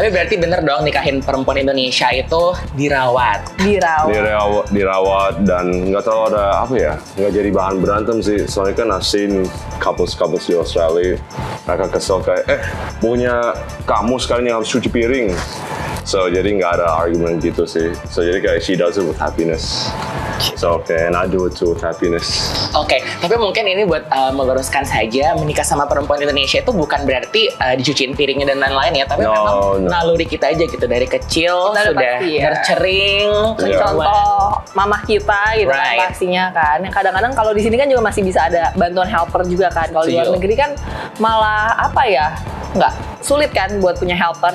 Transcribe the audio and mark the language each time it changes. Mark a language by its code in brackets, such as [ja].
[id] Tapi berarti bener dong nikahin perempuan Indonesia itu dirawat. Dirawat dan nggak tahu ada apa ya. Nggak jadi bahan berantem sih. Soalnya kan asin couples di Australia. Mereka kesel kayak, punya kamu sekarang yang harus cuci piring. So, jadi gak ada argumen gitu sih. [en] So, [id] jadi kayak, [en] she does it with happiness. So, okay, and I do it too with happiness. [id] Okay, tapi mungkin ini buat meluruskan saja, menikah sama perempuan Indonesia itu bukan berarti dicuciin piringnya dan lain-lain ya, tapi memang naluri kita aja gitu, dari kecil kita sudah tercering. Contoh mamah kita gitu right. Kan pastinya kan. Kadang-kadang kalau di sini kan juga masih bisa ada bantuan helper juga kan. Kalau di luar negeri kan malah apa ya, enggak sulit kan buat punya helper.